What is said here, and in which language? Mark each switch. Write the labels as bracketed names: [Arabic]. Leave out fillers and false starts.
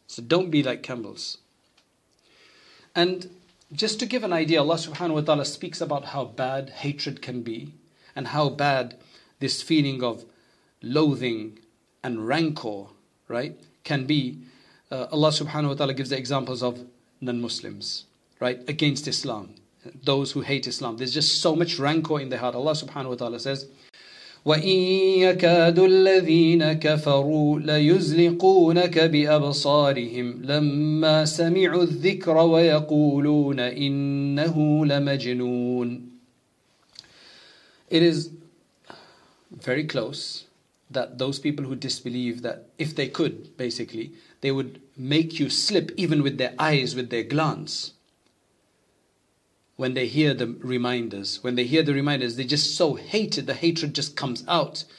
[English] So don't be like camels. And just to give an idea, Allah subhanahu wa ta'ala speaks about how bad hatred can be and how bad this feeling of loathing and rancor, right, can be. Allah subhanahu wa ta'ala gives the examples of non-Muslims, right, against Islam, those who hate Islam. There's just so much rancor in their heart. [Arabic] Allah subhanahu wa ta'ala [English] says, [Arabic] وَإِن يَكَادُ الَّذِينَ كَفَرُوا لَيُزْلِقُونَكَ بِأَبْصَارِهِمْ لَمَّا سَمِعُوا الذِّكْرَ وَيَقُولُونَ إِنَّهُ لَمَجْنُونَ. [English] It is very close that those people who disbelieve, that if they could, basically, they would make you slip even with their eyes, with their glance. When they hear the reminders, they just so hated, the hatred just comes out.